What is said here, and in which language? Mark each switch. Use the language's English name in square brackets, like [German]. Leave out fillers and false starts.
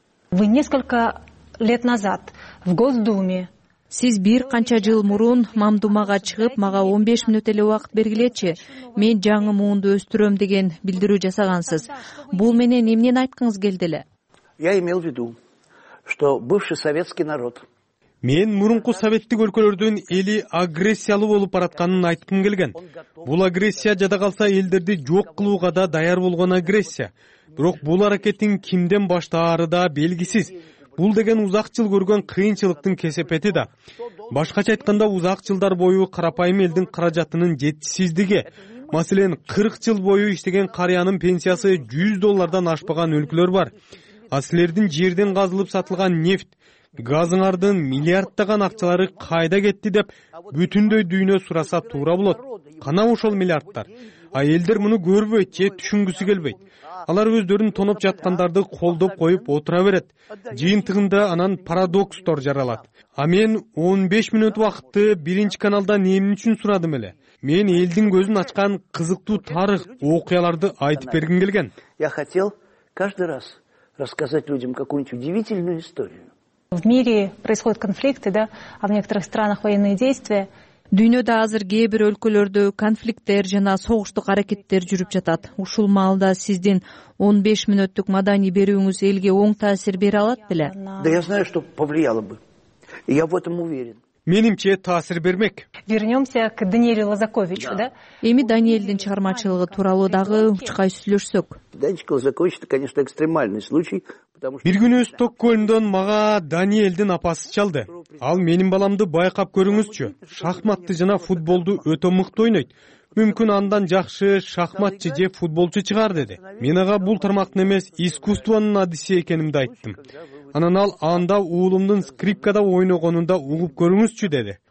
[Russian] Вы несколько лет назад в Госдуме. [Kyrgyz] Сиз бир канча жыл мурун мамдумага чыгып, мага 15 мүнөт эле убакыт бергилечи. Мен жаңы муунду өстүрөм деген билдирүү жасагансыз. Бул менен эмнени айткыңыз келди эле? [Russian] Я имел в виду, что бывший советский народ. [Kyrgyz] Мен мурунку советтик өлкөлөрдүн эли агрессиялуу болуп баратканын айткым келген. Бул агрессия жада калса элдерди жок кылууга да даяр болгон агрессия. Бирок бул аракеттин кимден баштаары да белгисиз. Бул деген узак жыл көргөн кыйынчылыктын кесепети да. Башкача айтканда узак жылдар бою карапайым элдин каражатынын жетишсиздиги. Маселен, 40 жыл бою иштеген карыянын пенсиясы 100 доллардан ашпаган өлкөлөр бар. А силердин жерден казылып сатылган нефть, газыңардын миллиарддаган акчалары кайда кетти деп бүтүндөй дүйнө сураса туура болот. Кана ошол миллиардтар? А элдер муну көрбөйт же түшүнгүсү келбейт. Алар өздөрүн тоноп жаткандарды колдоп коюп отура берет. Жыйынтыгында анан парадокстор жаралат. А мен 15 мүнөт убакытты биринчи каналдан эмне үчүн сурадым эле? Мен элдин көзүн ачкан кызыктуу тарых окуяларды айтып бергим келген. [Russian] Я хотел каждый раз рассказать людям какую-нибудь удивительную историю. В мире происходят конфликты, да? А в некоторых странах военные действия. [Kyrgyz] Дүйнөдө азыр кээ бир өлкөлөрдө конфликттер жана согуштук аракеттер жүрүп жатат. Ушул маалда сиздин 15 мүнөттүк маданий берүүңүз элге оң таасир бере алат беле? [Russian] Да я знаю, что повлияло бы. Я в этом уверен. [Kyrgyz] менимче таасир бермек. [Russian] Вернемся к Даниэлю Лазаковичу, да? [Kyrgyz] Эми Даниэлдин чыгармачылыгы тууралуу дагы чыкай сүйлөшсөк. [Russian] Данечка Лазакович, это, конечно, экстремальный случай. [Kyrgyz] Бир күнү Стокгольмдон мага Даниэлдин апасы чалды. Ал менин баламды байкап көрүңүзчү. Шахматты жана футболду өтө мыкты ойнойт. Мүмкүн андан жакшы шахматчы же футболчу чыгар деди. Мен ага бул тармактын эмес искусствонун адиси экенимди айттым. Анан ал анда уулумдун скрипкада ойногонунда угуп көрүңүзчү деди.